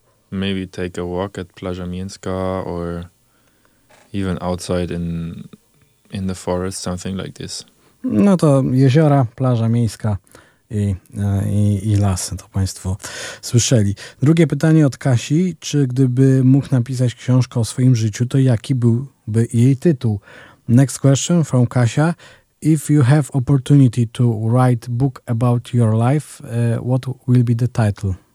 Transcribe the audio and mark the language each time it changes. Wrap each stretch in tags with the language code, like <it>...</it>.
<en>Maybe take a walk at Plaża Mińska or even outside in the forest, something like this.</en> <pl>No to jeziora, plaża miejska i lasy, to Państwo słyszeli. Drugie pytanie od Kasi. Czy gdyby mógł napisać książkę o swoim życiu, to jaki byłby jej tytuł?</pl> <en>Next question from Kasia. If you have opportunity to write book about your life, what will be the title?</en>